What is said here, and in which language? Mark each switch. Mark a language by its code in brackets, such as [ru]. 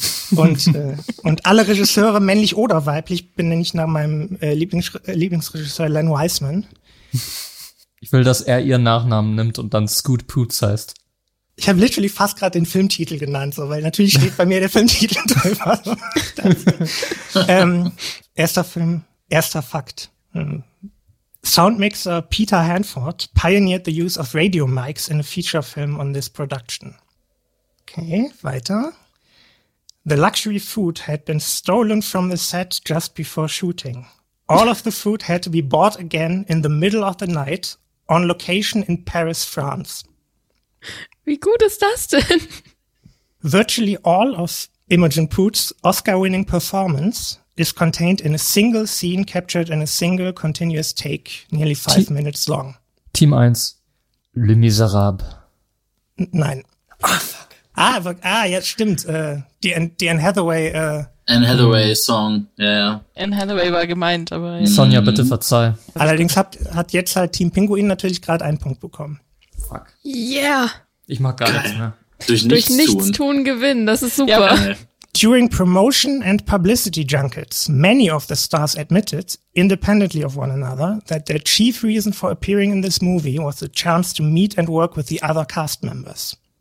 [de] Und alle Regisseure, männlich oder weiblich, benenne ich nach meinem Lieblingsregisseur Len Wiseman. Ich will, dass er ihren Nachnamen nimmt und dann Scoot Poots heißt. Ich habe literally fast gerade den Filmtitel genannt, so, weil natürlich steht bei mir der Filmtitel drüber. erster Film, erster Fakt. [en] Soundmixer Peter Hanford pioneered the use of radio mics in a feature film on this production. [de] Okay, weiter. [en] The luxury food had been stolen from the set just before shooting. All of the food had to be bought again in the middle of the night on location in Paris, France. [de] Wie gut ist das denn? [en] Virtually all of Imogen Poots' Oscar-winning performance is contained in a single scene captured in a single continuous take, nearly five minutes long. [de] Team 1. Le Miserable. Nein. Ah, fuck. Ah, ja, stimmt. Die Anne Hathaway. Anne Hathaway Song, ja, ja. Anne Hathaway war gemeint, aber. Sonja, bitte verzeih. Allerdings hat jetzt halt Team Pinguin natürlich gerade einen Punkt bekommen. Fuck. Yeah. Ich mag gar nichts mehr. Durch nichts tun gewinnen, das ist super. Ja, geil. [en] During promotion and publicity junkets, many of the stars admitted, independently of one another, that their chief reason for appearing in this movie was the chance to meet and work with the other cast members.